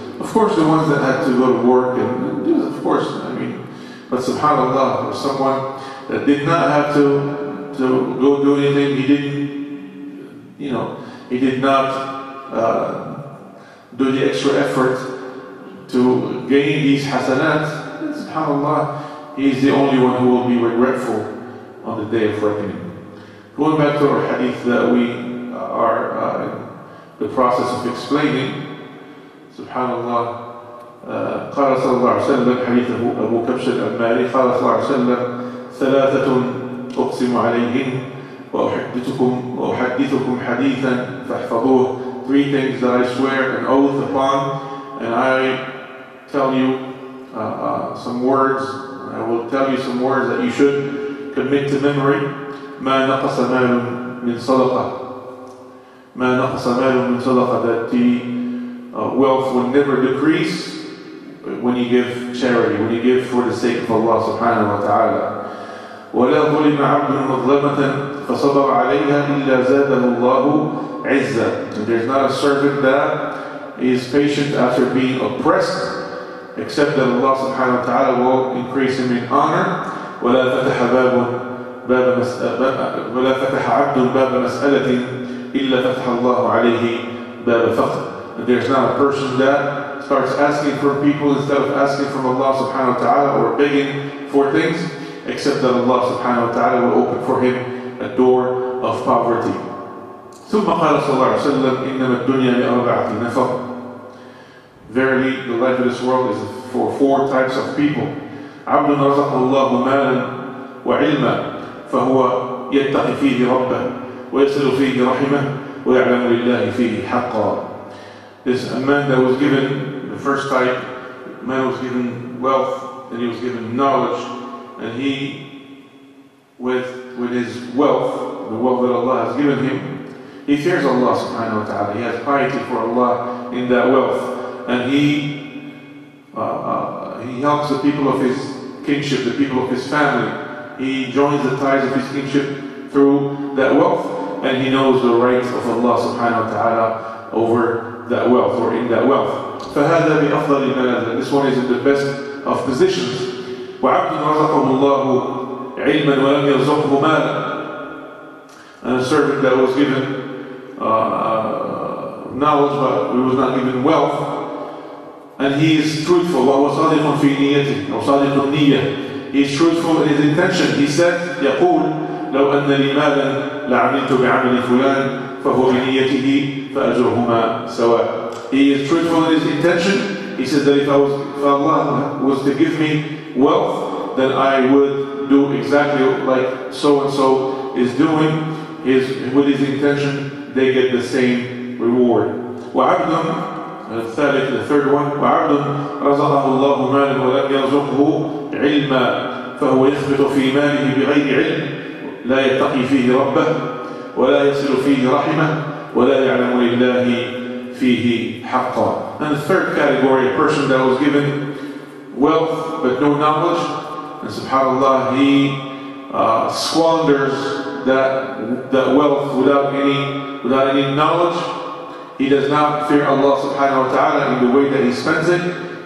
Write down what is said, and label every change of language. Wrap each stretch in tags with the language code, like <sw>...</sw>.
<en>Of course, the ones that had to go to work and of course, I mean, but subhanAllah, for someone that did not have to go do anything, he did not do the extra effort to gain these hasanat, subhanAllah, he is the only one who will be regretful on the day of reckoning. Going back to our hadith that we are in the process of explaining, subhanAllah,</en> <ar>قال صلى الله عليه وسلم حديث أبو كبش الأماري قال صلى الله عليه وسلم ثلاثة أقسم عليهم وأحدثكم حديثا فاحفظوه.</ar> <en>Three things that I swear an oath upon, and I tell you some words, I will tell you some words that you should commit to memory.</en> <ar>ما نقص مال من صدقة ما نقص مال من صدقة</ar> <en>that the wealth will never decrease when you give charity, when you give for the sake of Allah subhanahu wa ta'ala.</en> <ar>ولا ظلم عبد مظلمة فصبر عليها إلا زاده الله عزة.</ar> <en>There's not a servant that is patient after being oppressed except that Allah subhanahu wa ta'ala will increase him in honor.</en> <ar>ولا فتح باب ولا فتح عبد باب مسألة إلا فتح الله عليه باب فخر.</ar> <en>There's not a person that starts asking from people instead of asking from Allah subhanahu wa ta'ala or begging for things except that Allah subhanahu wa ta'ala will open for him a door of poverty.</en> <ar>ثم قال صلى الله عليه وسلم إنما الدنيا لأربعة نفر.</ar> <en>Verily the life of this world is for four types of people.</en> <ar>عبد رزق الله مالا وعلما فهو يتقي فيه ربه ويصل فيه رحمه ويعلم لله فيه حقا.</ar> <en>This man that was given, the first type, man was given wealth and he was given knowledge, and he, with his wealth, the wealth that Allah has given him, he fears Allah subhanahu wa ta'ala, he has piety for Allah in that wealth, and he helps the people of his kinship, the people of his family, he joins the ties of his kinship through that wealth, and he knows the rights of Allah subhanahu wa ta'ala over that wealth or in that wealth.</en> <ar>فهذا بأفضل المنازل.</ar> <en>This one is in the best of positions.</en> <ar>وعبد رزقه الله علما ولم يرزقه مالا.</ar> <en>And a servant that was given knowledge but he was not given wealth. And he is truthful.</en> <ar>وهو صادق في نيته أو صادق النية.</ar> <en>He is truthful in his intention. He said,</en> <ar>يقول لو أن لي مالا لعملت بعمل فلان فهو بنيته فأجرهما سواء.</ar> <en>He is truthful in his intention. He says that if Allah was to give me wealth, then I would do exactly like so and so is doing. His with his intention, they get the same reward.</en> <ar>وعبد الثالث,</ar> <en>the third one.</en> <ar>وعبد رزقه الله مالا ولم يرزقه علما فهو يخبط في ماله بغير علم لا يتقي فيه ربه ولا يصل فيه رحمه ولا يعلم لله فيه حقا.</ar> <en>And the third category, a person that was given wealth but no knowledge, and subhanAllah, he squanders that wealth without any knowledge. He does not fear Allah subhanahu wa ta'ala in the way that he spends it.</en>